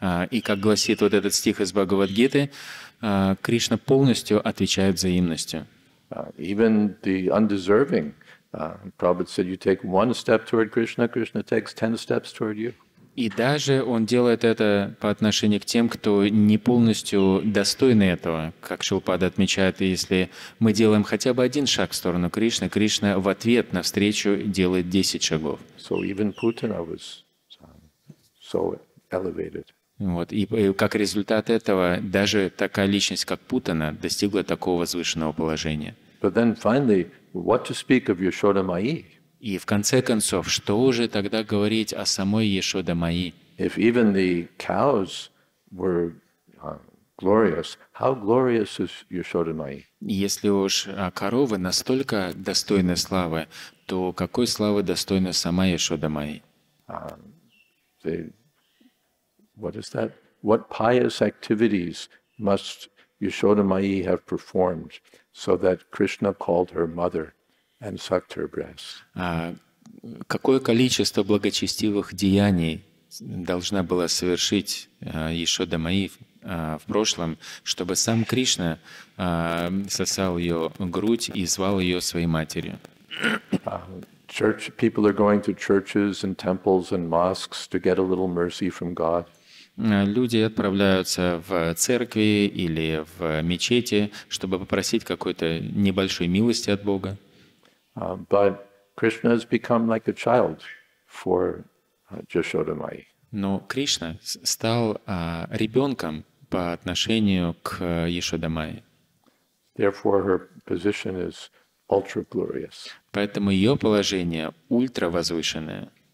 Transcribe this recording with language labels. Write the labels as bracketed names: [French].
[Russian] И как гласит вот этот стих из Бхагавад-гиты, Кришна полностью отвечает взаимностью. [English] Even the undeserving, Prabhupada said, you take one step toward Krishna, Krishna takes 10 steps toward you. [Russian] И даже он делает это по отношению к тем, кто не полностью достойны этого. Как Шилпада отмечает, если мы делаем хотя бы один шаг в сторону Кришны, Кришна в ответ навстречу делает 10 шагов. [English] So even Putin was so elevated. [Russian] Вот. И как результат этого, даже такая личность, как Путана, достигла такого возвышенного положения. [English] But then finally, what to speak of Yashoda Mai? [Russian] И в конце концов, что уже тогда говорить о самой Яшода Маи? [English] If even the cows were glorious, how glorious is Yashoda Mai? [Russian] Если уж коровы настолько достойны славы, то какой славы достойна сама Яшода Маи? [English] What is that? What pious activities must Yashoda Mai have performed so that Krishna called her mother? And sucked her breasts. [Russian] Какое количество благочестивых деяний должна была совершить Яшода Мая в прошлом, чтобы сам Кришна сосал ее грудь и звал ее своей матерью? [English] Church people are going to churches and temples and mosques to get a little mercy from God. [Russian] Люди отправляются в церкви или в мечети, чтобы попросить какой-то небольшой милости от Бога. [English] But Krishna has become like a child for Yashoda Mai. [Russian] Но Кришна стал ребенком по отношению к Яшода Мае. [English] Therefore, her position is ultra glorious. [Russian] Поэтому ее положение ультра возвышенное.